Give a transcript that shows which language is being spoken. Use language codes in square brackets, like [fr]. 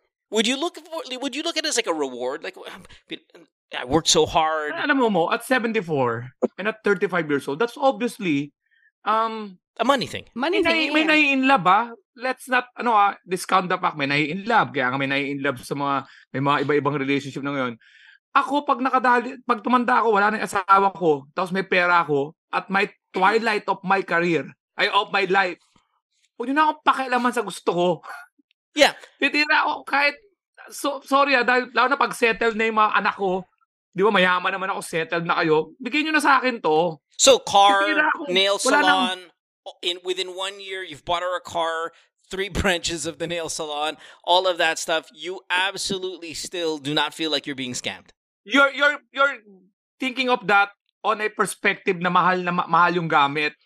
[en] Would you look at it as like a reward? Like, I worked so hard. [tl] Alam mo, [en] at 74 and at 35 years old, that's obviously a money thing. Money thing. [tl] May nai-in love ba? [en] Let's not discount the fact [tl] may nai-in love. Kaya nga may nai-in love sa mga may mga iba-ibang relationship na ngayon. Ako pag tumanda ako, wala nang asawa ko, tapos may pera ako [en] at my twilight of my career, of my life. [tl] Huwag na akong pakialaman sa gusto ko. [en] Yeah. [tl] Titira ako kahit, dahil lalo na pag-settle na yung mga anak ko, di ba mayaman naman ako, settled na kayo, bigyan nyo na sa akin to. [en] So car, nail salon, within 1 year, you've bought her a car, 3 branches of the nail salon, all of that stuff, you absolutely still do not feel like you're being scammed. you're thinking of that on a perspective [tl] na mahal na mahal yung gamit.